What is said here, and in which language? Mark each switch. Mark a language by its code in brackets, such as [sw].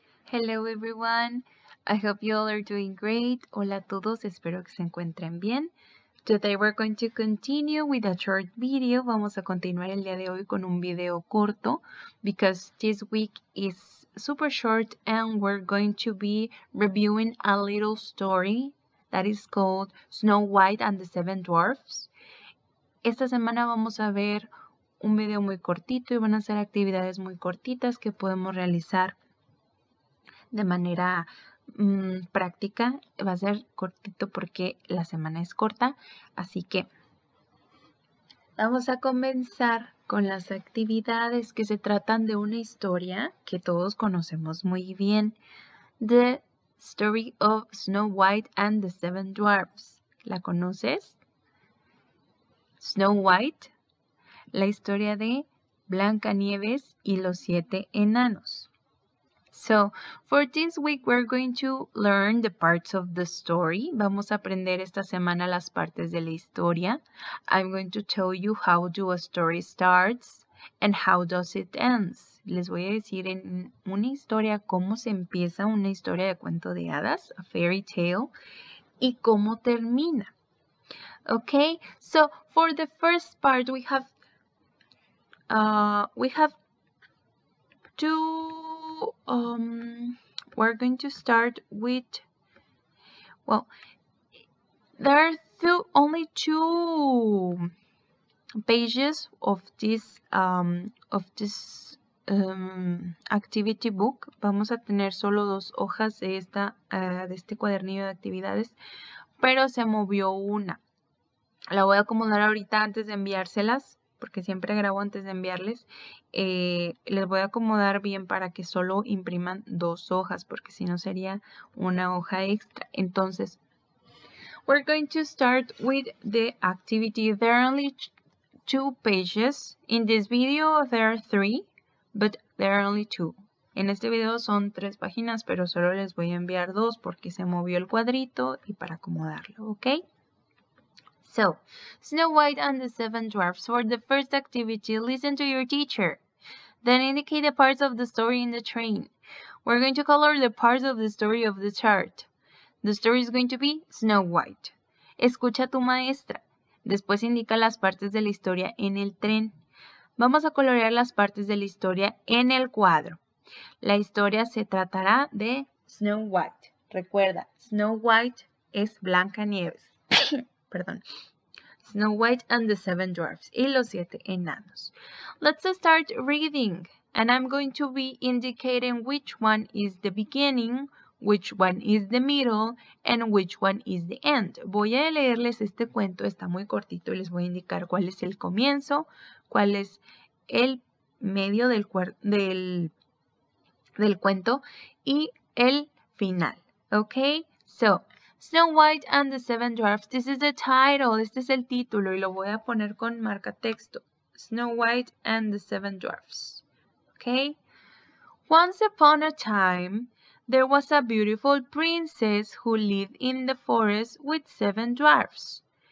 [en] Hello everyone, I hope you all are doing great. [es] Hola a todos, espero que se encuentren bien. [en] Today we're going to continue with a short video. [es] Vamos a continuar el día de hoy con un video corto [en] because this week is super short and we're going to be reviewing a little story that is called Snow White and the Seven Dwarfs. [es] Esta semana vamos a ver un video muy cortito y van a ser actividades muy cortitas que podemos realizar de manera práctica. Va a ser cortito porque la semana es corta. Así que vamos a comenzar con las actividades que se tratan de una historia que todos conocemos muy bien. [en] The Story of Snow White and the Seven Dwarfs. [es] ¿La conoces? Snow White. La historia de Blancanieves y los siete enanos. [en] So, for this week, we're going to learn the parts of the story. [es] Vamos a aprender esta semana las partes de la historia. [en] I'm going to tell you how do a story starts and how does it ends. [es] Les voy a decir en una historia cómo se empieza una historia de cuento de hadas, [en] a fairy tale, [es] y cómo termina. [en] Okay, so for the first part, we have two... we're going to start with, well, there are only two pages of this activity book. [es] Vamos a tener solo dos hojas de este cuadernillo de actividades, pero se movió una. La voy a acomodar ahorita antes de enviárselas, porque siempre grabo antes de enviarles. Les voy a acomodar bien para que solo impriman dos hojas, porque si no sería una hoja extra. Entonces, [en] we're going to start with the activity. There are only two pages. In this video, there are three, but there are only two. [es] En este video son tres páginas, pero solo les voy a enviar dos, porque se movió el cuadrito y para acomodarlo, ¿ok? [en] So, Snow White and the Seven Dwarfs. For the first activity, listen to your teacher. Then indicate the parts of the story in the train. We're going to color the parts of the story of the chart. The story is going to be Snow White. [es] Escucha a tu maestra. Después indica las partes de la historia en el tren. Vamos a colorear las partes de la historia en el cuadro. La historia se tratará de Snow White. Recuerda, Snow White es Blancanieves. Perdón. [en] Snow White and the Seven Dwarfs. [es] Y los siete enanos. [en] Let's start reading. And I'm going to be indicating which one is the beginning, which one is the middle, and which one is the end. [es] Voy a leerles este cuento. Está muy cortito y les voy a indicar cuál es el comienzo, cuál es el medio del cuento y el final. [en] Okay? So, Snow White and the Seven Dwarfs. This is the title. [es] Este es el título y lo voy a poner con marca texto. [en] Snow White and the Seven Dwarfs. Okay? Once upon a time, there was a beautiful princess who lived in the forest with seven dwarfs.